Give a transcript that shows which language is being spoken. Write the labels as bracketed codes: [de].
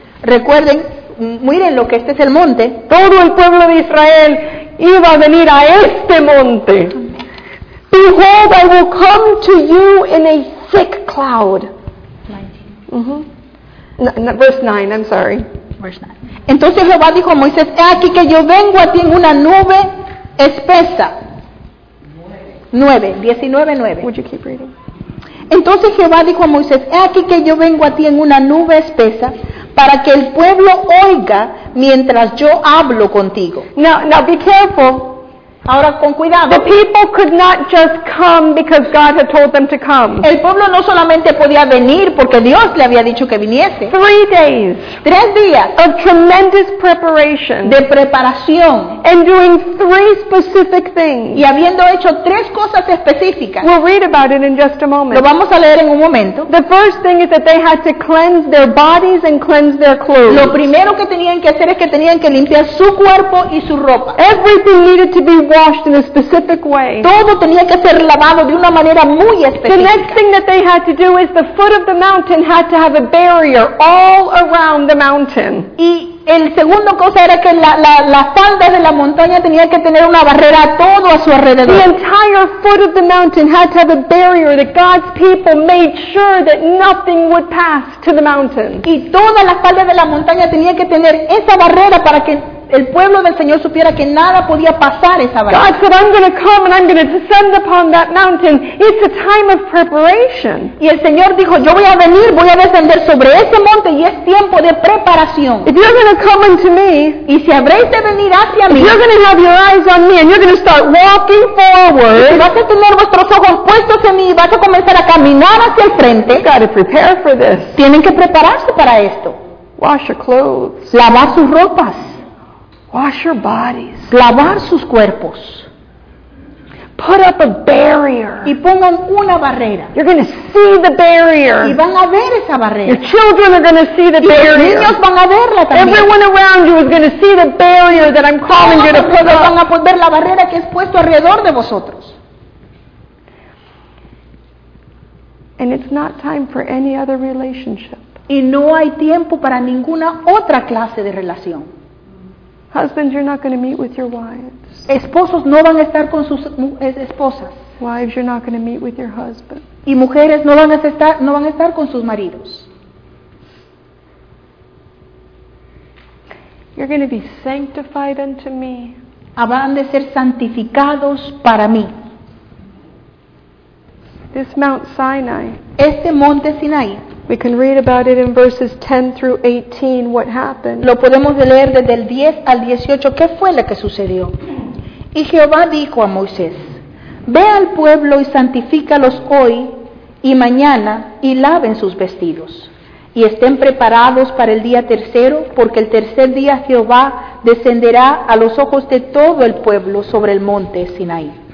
[es] Recuerden, miren lo que este es el monte. Todo el pueblo de Israel iba a venir a este monte. [en] Behold, I will come to you in a thick cloud. 19. Mm-hmm. No, verse 9, Verse 9. [es] Entonces Jehová dijo a Moisés, he aquí que yo vengo a ti en una nube espesa. [en] 19:9. Would you keep reading? [es] Entonces Jehová dijo a Moisés, he aquí que yo vengo a ti en una nube espesa. Para que el pueblo oiga mientras yo hablo contigo. [en] Now be careful. [es] Ahora con cuidado. [en] The people could not just come because God had told them to come. [es] El pueblo no solamente podía venir porque Dios le había dicho que viniese. [en] 3 days. [es] 3 días. [en] Of tremendous preparation. [es] De preparación. [en] And doing 3 specific things. [es] Y habiendo hecho 3 cosas específicas. [en] We'll read about it in just a moment. [es] Lo vamos a leer en un momento. [en] The first thing is that they had to cleanse their bodies and cleanse their clothes. [es] Lo primero que tenían que hacer es que tenían que limpiar su cuerpo y su ropa. [en] Everything needed to be washed in a specific way. [es] Todo tenía que ser lavado de una manera muy específica. [en] The next thing that they had to do is the foot of the mountain had to have a barrier all around the mountain. [es] Y el segundo cosa era que la falda de la montaña tenía que tener una barrera todo a su alrededor. [en] The entire foot of the mountain had to have a barrier that God's people made sure that nothing would pass to the mountain. [es] Y toda la falda de la montaña tenía que tener esa barrera para que el pueblo del Señor supiera que nada podía pasar esa barrera. [en] God said, I'm going to come and I'm going to descend upon that mountain. It's a time of preparation. [es] Y el Señor dijo, yo voy a venir, voy a descender sobre ese monte y es tiempo de preparación. [en] If you're going to come unto me, [es] y si habréis de venir hacia mí, [en] you're going to have your eyes on me and you're going to start walking forward. [es] Y vas a tener vuestros ojos puestos en mí y vas a comenzar a caminar hacia el frente. [en] You've got to prepare for this. [es] Tienen que prepararse para esto. [en] Wash your clothes. [es] Lavar sus ropas. [en] Wash your bodies. [es] Lavar sus cuerpos. [en] Put up a barrier. [es] Y pongan una barrera. [en] You're going to see the barrier. [es] Y van a ver esa barrera. [en] Your children are going to see the [es] y [en] barrier. [es] Y niños van a verla también. [en] Everyone around you is going to see the barrier that I'm calling you to put up. [es] Van a poder ver la barrera que he puesto alrededor de vosotros. [en] And it's not time for any other relationship. [es] Y no hay tiempo para ninguna otra clase de relación. [en] Husbands, you're not going to meet with your wives. [es] Esposos no van a estar con sus esposas. [en] Wives, you're not going to meet with your husband. [es] Y mujeres no van a estar con sus maridos. [en] You're going to be sanctified unto me. [es] Habrán de ser santificados para mí. [en] This Mount Sinai. [es] Este Monte Sinaí. [en] We can read about it in verses 10 through 18, what happened. [es] Lo podemos leer desde el 10 al 18, ¿qué fue lo que sucedió? Y Jehová dijo a Moisés, ve al pueblo y santifícalos hoy y mañana y laven sus vestidos. Y estén preparados para el día tercero, porque el tercer día Jehová descenderá a los ojos de todo el pueblo sobre el monte Sinaí.